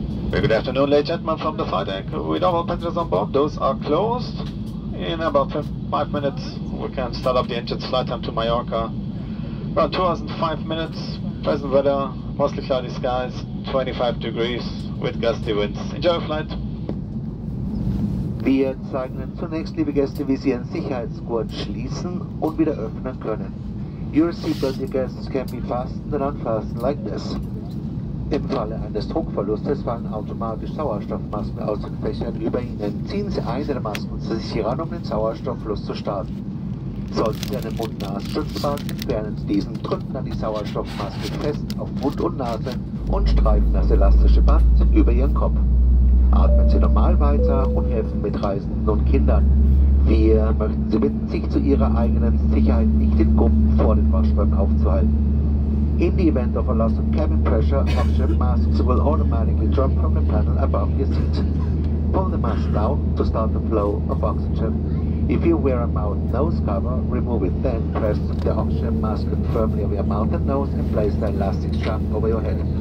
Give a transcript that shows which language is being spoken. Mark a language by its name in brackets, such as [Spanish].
[English] Good afternoon, ladies and gentlemen, from the flight deck. We don't have passengers on board. Those are closed. In about 5 minutes, we can start up the engines. Flight time to Mallorca. About 2 hours and 5 minutes, pleasant weather, mostly cloudy skies, 25 degrees with gusty winds. Enjoy your flight. [German] Wir zeigen zunächst, liebe Gäste, wie Sie Ihren Sicherheitsgurt schließen und wieder öffnen können. [English] Your seatbelt, dear guests, can be fastened and unfastened like this. [German] Im Falle eines Druckverlustes fallen automatisch Sauerstoffmasken aus den Fächern über Ihnen. Ziehen Sie eine der Masken zu sich heran, um den Sauerstofffluss zu starten. Sollten Sie einen Mund-Nasen-Schutz tragen, entfernen Sie diesen, drücken dann die Sauerstoffmaske fest auf Mund und Nase und streifen das elastische Band über Ihren Kopf. Atmen Sie normal weiter und helfen mit Reisenden und Kindern. Wir möchten Sie bitten, sich zu Ihrer eigenen Sicherheit nicht in Gruppen vor den Waschbecken aufzuhalten. [English] In the event of a loss of cabin pressure, oxygen masks will automatically drop from the panel above your seat. Pull the mask down to start the flow of oxygen. If you wear a mountain nose cover, remove it then, press the oxygen mask firmly over your mountain nose and place the elastic strap over your head.